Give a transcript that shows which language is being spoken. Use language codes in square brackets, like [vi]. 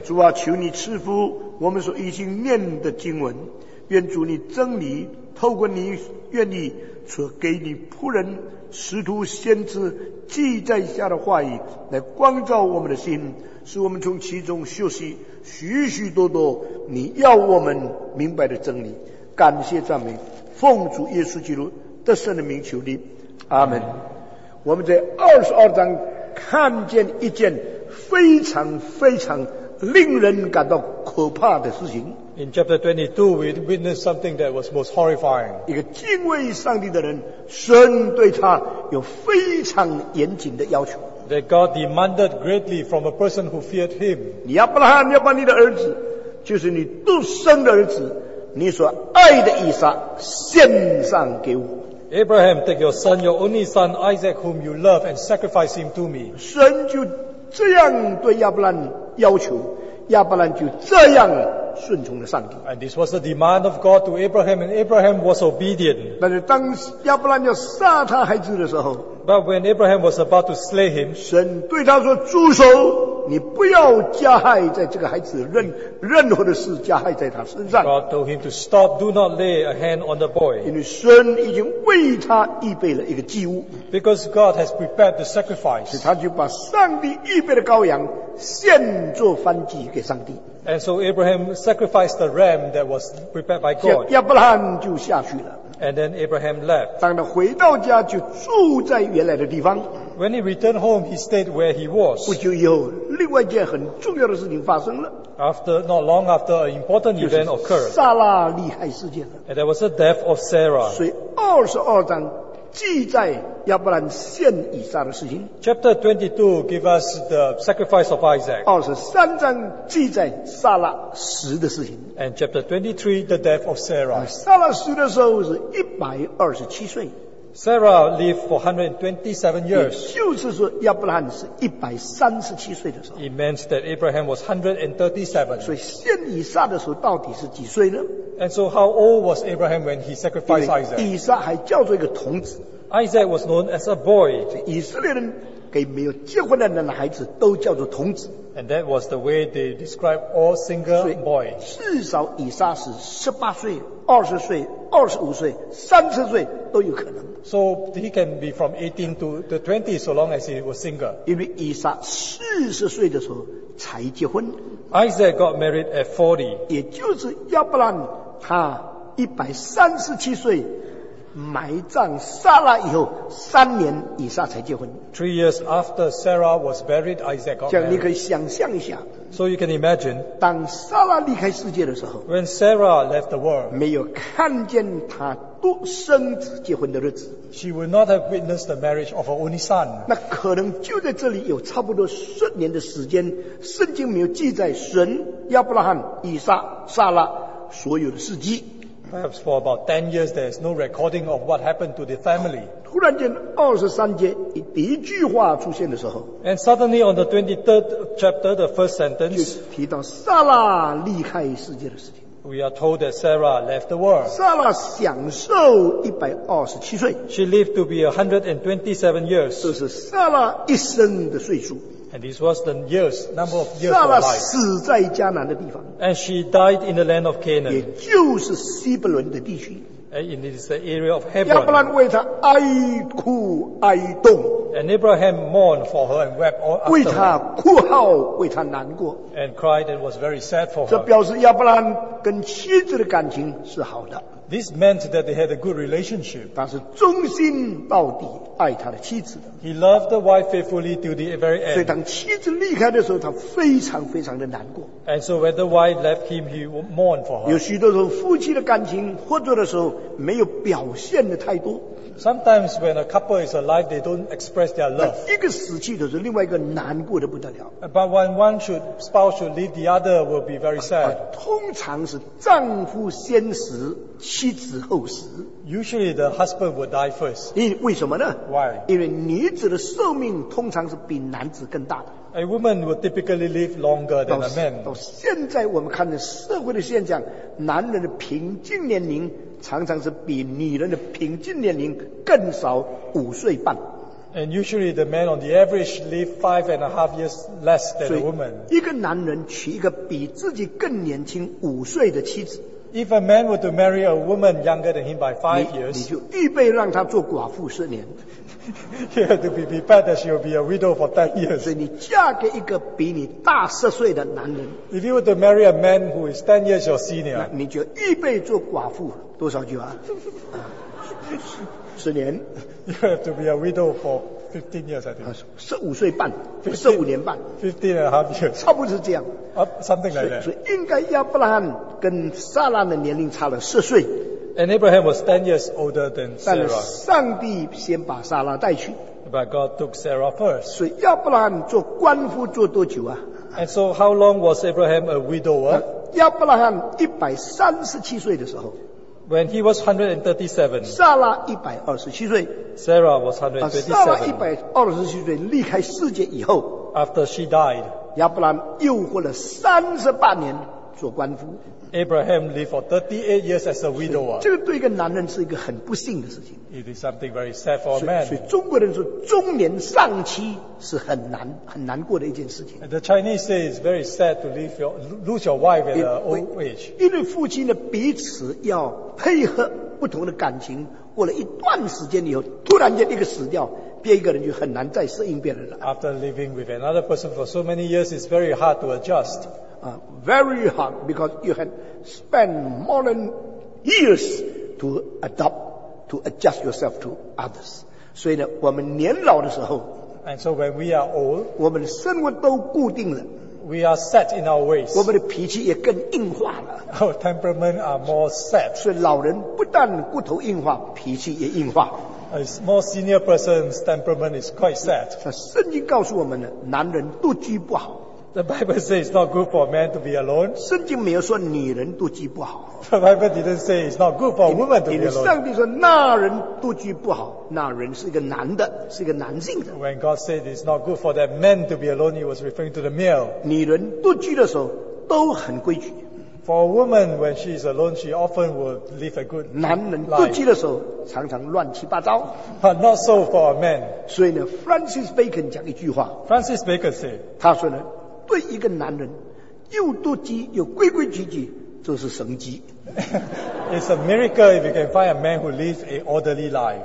[zh] 主啊，求你赐福我们所已经念的经文，愿主你真理透过你愿意所给你仆人使徒先知记载下的话语来光照我们的心，使我们从其中学习许许多多你要我们明白的真理。感谢赞美，奉主耶稣基督得胜的名求你，阿们。我们在22章看见一件非常非常令人感到可怕的事情。 [en] In chapter 22, we witnessed something that was most horrifying. [zh] 一个敬畏上帝的人，神对他有非常严谨的要求。 [en] That God demanded greatly from a person who feared him. [zh] 亚伯拉罕，要把你的儿子，就是你独生的儿子，你所爱的以撒，献上给我。 [en] Abraham, take your son, your only son, Isaac, whom you love, and sacrifice him to me. [zh] 神就这样对亚伯兰要求，亚伯兰就这样顺从了上帝。 [en] And this was the demand of God to Abraham, and Abraham was obedient. [zh] 但是当亚伯兰要杀他孩子的时候， [en] But when Abraham was about to slay him, [zh] 神对他说：“住手！你不要加害在这个孩子任何的事加害在他身上。” [en] God told him to stop. Do not lay a hand on the boy. [zh] 因为神已经为他预备了一个祭物。 [en] Because God has prepared the sacrifice. [zh] 他就把上帝预备的羔羊献作燔祭给上帝。 [en] And so Abraham sacrificed the ram that was prepared by God. [zh] 亚伯拉罕就下去了。 [en] And then Abraham left. [zh] 当他回到家，就住在原来的地方。 [en] When he returned home, he stayed where he was. [zh] 不久以后，另外一件很重要的事情发生了。 [en] After not long after, an important event occurred. [zh] 撒拉利害事件了。 [en] And there was the death of Sarah. [zh] 所以二十二章记载亚伯兰献以撒的事情。 [en] Chapter 22 give us the sacrifice of Isaac. [zh] 二十三章记载撒拉死的事情。 [en] And chapter 23 the death of Sarah. [zh] 撒拉死的时候是127岁。 [en] Sarah lived for 127 years. [zh] 也就是说亚伯兰是137岁的时候。 [en] It means that Abraham was 137. [zh] 所以献以撒的时候到底是几岁呢？ [en] And so how old was Abraham when he sacrificed Isaac? [zh] 以撒还叫做一个童子。 [en] Isaac was known as a boy. [zh] 以色列人给没有结婚的男孩子都叫做童子。 [en] And that was the way they described all single boys. [zh] 至少以撒是18岁、20岁、25岁、30岁都有可能。 [en] So he can be from 18 to the 20 so long as he was single. [zh] 因为以撒40岁的时候才结婚。 [en] Isaac got married at 40. [zh] 也就是亚伯兰他137岁埋葬撒拉以后三年以撒才结婚。 [en] Three years after Sarah was buried, Isaac got married. [zh] 这样你可以想象一下。 [en] So you can imagine, [zh] 当撒拉离开世界的时候 [en] when Sarah left the world, [zh] 没有看见她独生子结婚的日子 [en] she would not have witnessed the marriage of her only son. [zh] 那可能就在这里有差不多十年的时间圣经没有记载神亚伯拉罕以撒撒拉所有的事迹 [en] perhaps for about 10 years there is no recording of what happened to the family. [zh] 突然间23节第一句话出现的时候 [en] and suddenly on the 23rd chapter the first sentence [zh] 就提到撒拉离开世界的事情 [en] we are told that Sarah left the world [zh] 撒拉享受127岁 [en] she lived to be 127 years [zh] 这是撒拉一生的岁数 [en] and this was the years number of years of life [zh] 撒拉死在迦南的地方 [en] and she died in the land of Canaan [zh] 也就是西伯伦的地区 [en] And it is the area of Hebron. [zh] 亚伯兰为他哀哭哀动。 [en] And Abraham mourned for her and wept all after. [zh] 为他哭号，为他难过。 [en] And cried and was very sad for her. [zh] 这表示亚伯兰跟妻子的感情是好的。 [en] This meant that they had a good relationship. [zh] 他是忠心到底爱他的妻子的。 [en] He loved the wife faithfully till the very end. [zh] 所以当妻子离开的时候，他非常非常的难过。 [en] And so when the wife left him, he mourned for her. [zh] 有许多时候夫妻的感情合作的时候没有表现的太多。 [en] Sometimes when a couple is alive, they don't express their love. [zh] 一个死去的时候，另外一个难过的不得了。 [en] But when one should, spouse should leave, the other will be very sad. [zh] 通常是丈夫先死，妻子后死。 [en] Usually the husband would die first. [zh] 为什么呢 [en] ？Why? [zh] 因为女子的寿命通常是比男子更大的。 [en] A woman will typically live longer than a man. [zh] 到现在我们看的社会的现象，男人的平均年龄。常常是比女人的平均年龄更少五岁半。 [en] And usually the man on the average live 5.5 years less than a woman. [zh] 一个男人娶一个比自己更年轻五岁的妻子。 [en] If a man were to marry a woman younger than him by 5 years, [zh] 你就预备让他做寡妇十年。 [en] You have to be prepared that she will be a widow for 10 years. [zh] 所以你嫁给一个比你大十岁的男人。 [en] If you were to marry a man who is 10 years your senior. [zh] 那你就预备做寡妇多少久啊？十年。 [en] You have to be a widow for 15 years, I think. [zh] 十五岁半，十五年半。 [en] 15.5 years. [zh] 差不多是这样。 [en] Something like that. [zh] 所以应该亚伯拉罕跟撒拉的年龄差了十岁。 [en] And Abraham was 10 years older than Sarah. [zh] 但是上帝先把撒拉带去。 [en] But God took Sarah first. [zh] 所以亚伯拉罕做官夫做多久啊 [en] ？And so how long was Abraham a widower? [zh] 亚伯拉罕137岁的时候。 [en] When he was 137. [zh] 撒拉127岁。 [en] Sarah was 127. [zh] 撒拉127岁离开世界以后。 [en] After she died. [zh] 亚伯拉罕又活了38年。做官夫。 [en] Abraham lived for 38 years as a widower. [zh] 这个对一个男人是一个很不幸的事情。 [en] It is something very sad for a man. [zh] 所以中国人说中年丧妻是很难很难过的一件事情。 [en] The Chinese say it's very sad to lose your wife at an old age. [zh] 因为夫妻呢彼此要配合不同的感情，过了一段时间以后，突然间一个死掉。别一个人就很难再适应别人了。 [en] After living with another person for so many years, it's very hard to adjust. Very hard because you had spent more than years to adapt, to adjust yourself to others. [zh] 所以呢，我们年老的时候 [en] ，and so when we are old, [zh] 我们的生活都固定了。 [en] We are set in our ways. [zh] 我们的脾气也更硬化了。 [en] Our temperament are more set. [zh] 所以老人不但骨头硬化，脾气也硬化。 [en] A more senior person's temperament is quite sad. [zh] 圣经告诉我们男人独居不好。 [en] The Bible says it's not good for a man to be alone. [zh] 圣经没有说女人独居不好。 [en] The Bible didn't say it's not good for a woman to be alone. [zh] 上帝说那人独居不好，那人是一个男的，是一个男性的。 [en] When God said it's not good for that man to be alone, he was referring to the male. [zh] 女人独居的时候都很规矩。 [en] For a woman, when she is alone, she often will live a good life. [zh] 男人独居的时候常常乱七八糟。 [en] But not so for a man. [zh] 所以呢 ,Francis Bacon 讲一句话。 [en] Francis Bacon said, [zh] 他说呢对一个男人又独居又规规矩矩就是神迹。 [en] It's a miracle if you can find a man who lives an orderly life.